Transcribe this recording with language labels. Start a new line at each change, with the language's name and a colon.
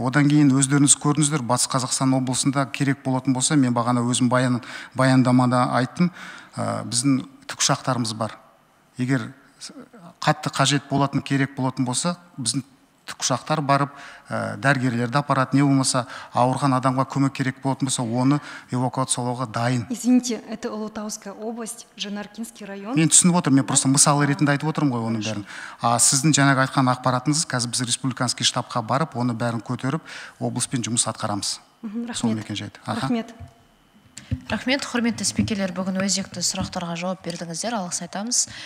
Kazakh: Одан кейін өздеріңіз көрдіңіздер, Батыс Қазақстан облысында керек болатын болса, мен бағана өзім баяндамада айттым, біздің тікұшақтарымыз бар. Егер қатты қажет болатын, керек болатын болса, біздің тікұшақтар барып, дәрігерлерді апарады, не болмаса, ауырған адамға көмек керек болатын болса, оны эвакуациялауға дайын.
Russian: Извините, это Алатауская область, Жанаркинский район.
Kazakh: Мен түсініп отырмын, мен просто мысалы ретінде айтып отырмын ғой оның бәрін. А сіздің жаңағы айтқан ақпаратыңыз, қазір біз республиканский штабқа барып, оны бәрін көтеріп, облыспен жұмыс атқарамыз. Рахмет. Сол мекенжайды. Рахмет. Рахмет, құрметті спикерлер, бүгін өзекті сұрақтарға жауап бердіңіздер, алғыс айтамыз.